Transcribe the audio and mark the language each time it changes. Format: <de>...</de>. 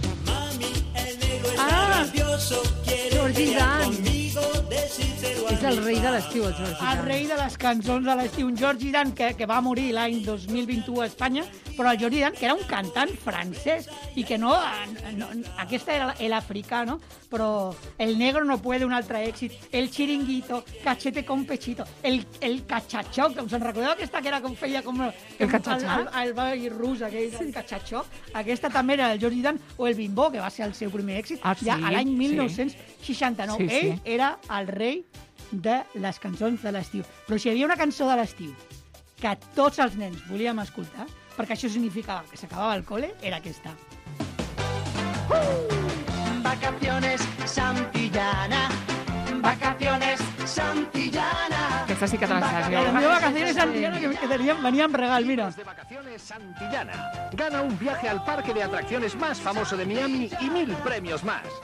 <es>Mami, el negro es nervioso. Quiere venir conmigo, decírselo a mí.</es> <ca>el rei de l'estiu, el Georgie Dan. El rei de les cançons de l'estiu, un Georgie Dan que va morir l'any 2021 a Espanya, però el Georgie Dan, que era un cantant francès, i que no aquesta era l'africà, no? Però</ca> <es>el negro no puede,</es> <ca>un altre èxit, el chiringuito,</ca> <es>cachete con pechito,</es> <ca>el cachachó, que us en recordeu aquesta que era com feia com... El cachachó? El baile rus aquell, sí. El cachachó. Aquesta també era el Georgie Dan, o el bimbo, que va ser el seu primer èxit, ah, sí? Ja l'any 1969. Sí. Sí, ell sí. Era el rei de les cançons de l'estiu. Però si hi havia una cançó de l'estiu que tots els nens volíem escoltar, perquè això significava que s'acabava el cole, era aquesta.</ca> <es>Vacaciones Santillana. Vacaciones Santillana.</es> <ca>Aquesta sí que te la saps. La meva Vacaciones Santillana que teníem, venia amb regal, mira. De Vacaciones Santillana.</ca> <es>Gana un viaje al parque de atracciones más famoso de Miami y 1000 premios más.</es>